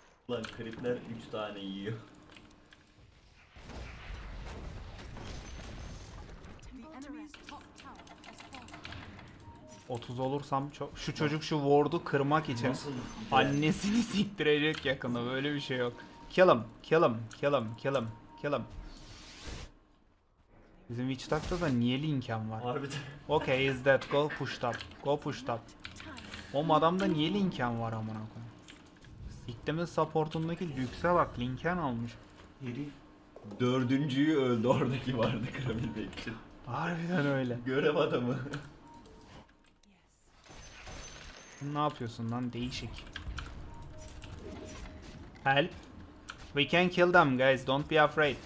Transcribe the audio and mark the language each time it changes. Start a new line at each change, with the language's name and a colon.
Turkish: Lan creepler 3 tane yiyor. Otuz olursam çok... Şu çocuk şu ward'u kırmak için annesini siktirecek yakında, böyle bir şey yok.
English: Kill him, kill him, kill him, kill him, kill him.
Turkish: Bizim Witch Doctor'da da niye Lincoln var? Harbiden.
English: Okay, he's dead. Go push top. Go push top.
Turkish: Oğlum adamda niye Lincoln var amına koyayım? Siktimin supportundaki lükse bak, Lincoln almış. Yeri dördüncüyü öldü oradaki vardı kırabilmek için. Harbiden öyle. Görev adamı. Ne yapıyorsun lan, değişik.
English: Help. We can kill them guys, don't be afraid.